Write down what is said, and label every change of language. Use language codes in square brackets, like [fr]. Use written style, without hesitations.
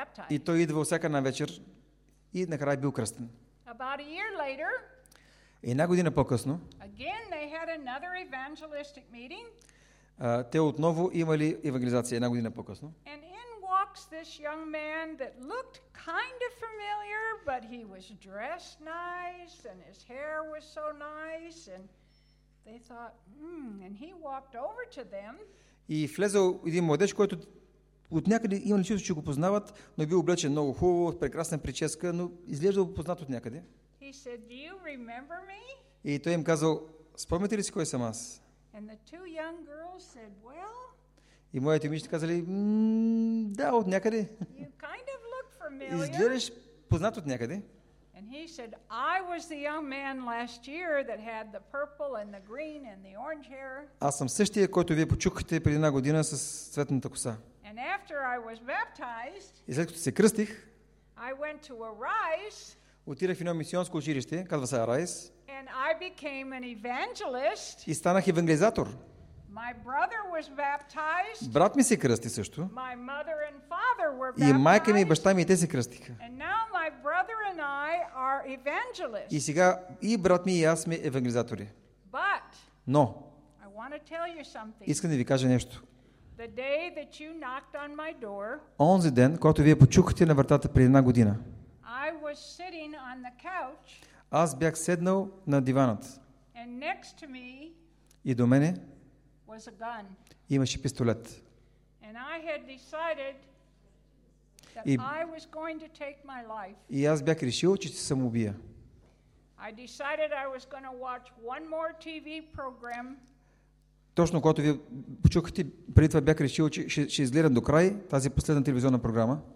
[bg] И той идва всяка една вечер и накрая бил кръстен. [en] About a year later, [bg] една година по-късно, [en] again they had another evangelistic meeting, [bg] те отново имали евангелизация една година по-късно. [en] And in walks this young man that looked kind of familiar, but he was dressed nice and his hair was so nice and they thought, and he walked over to them. [bg] И влезъл един младеж, който от някъде има личност, че го познават, но бил облечен много хубаво, с прекрасна прическа, но изглеждал познат от някъде. [en] He said, "Do you remember me?" [bg] И той им казал, спомняте ли си кой съм аз? [en] And the two young girls said, "Well." [bg] И моите момичета казали, да, от някъде. [en] You kind of look familiar. [bg] изглеждаш познат от някъде. [en] And he said, I was the young man last year that had the purple and the green and the orange hair. [bg] Аз съм същия, който вие почукахте преди една година с цветната коса. [en] And after I was baptized, [bg] и след като се кръстих, [en] I went to Arise. [bg] Отидах в едно мисионско училище, казва се Arise. [en] And I became an evangelist. [bg] И станах евангелизатор. [en] My brother was baptized. [bg] Брат ми се кръсти също. [en] My mother and father were baptized. [bg] И майка ми и баща ми и те се кръстиха. [en] And now my brother and I are evangelists. [bg] И сега и брат ми и аз сме евангелизатори. [en] But, [bg] но, [en] I want to tell you something. [bg] Искам да ви кажа нещо. [en] The day that you knocked on my door, [bg] онзи ден, когато вие почукахте на вратата преди една година, [en] I was sitting on the couch, [bg] аз бях седнал на диванът. [en] And next to me, [bg] и до мене [en] was a gun. [bg] Имаше пистолет. [en] And I had decided that I was going to take my life. [bg] И аз бях решил, че ще се самоубия. [en] I decided I was going to watch one more TV program. [bg] Точно когато ви почукахте, преди това бях решил, че ще изгледам до край тази последна телевизионна програма.